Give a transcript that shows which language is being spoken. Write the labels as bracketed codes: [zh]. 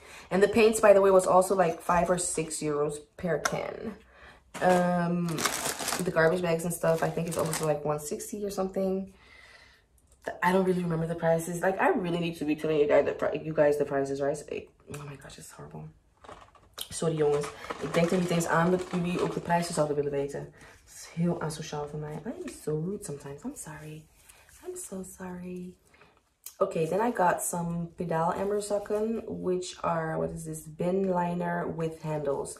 [en] And the paints, by the way, was also like 5 or 6 euros per can. The garbage bags and stuff, I think it's also like 160 or something. I don't really remember the prices. Like, I really need to be telling you guys the prices, right? Oh my gosh, it's horrible. [nl] Sorry, jongens. Ik denk dat jullie eens aan dat jullie ook de prijzen zouden willen weten. Het is heel asociaal van mij. [en] I am so rude sometimes. I'm sorry. I'm so sorry. Okay, then I got some Pedal Amberzakken, which are, what is this, bin liner with handles.